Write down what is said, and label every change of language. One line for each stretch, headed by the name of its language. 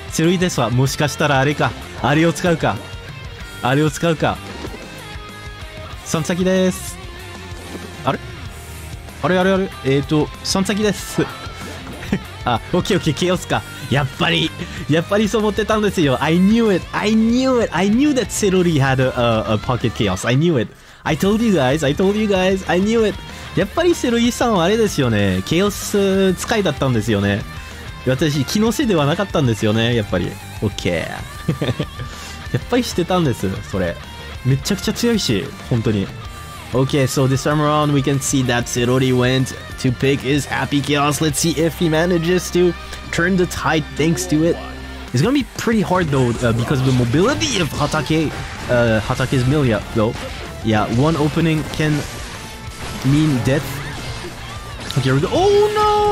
Japanese: セルイデスはもしかしたらあれか。あれを使うか。あれを使うか。サンサキです。あれ？あれあれあれ？サンサキです。あ、オッケーオッケー、ケオスか。やっぱりそう思ってたんですよ。
English: I knew that セルリ had a pocket chaos. I knew it. I told you guys. I knew it.
Japanese: やっぱりセルイさんはあれですよね。ケオス使いだったんですよね。私気のせいではなかったんですよね、やっぱり。
English: OK。
Japanese: やっぱりしてたんです、それ。めちゃくちゃ強いし、本当に。
English: OK, so this time around we can see that Celery went to pick his Happy Chaos. Let's see if he manages to turn the tide thanks to it. It's gonna be pretty hard though, because of the mobility of Hatake's Milia though. Yeah, one opening can mean death. Okay, here we go. Oh no!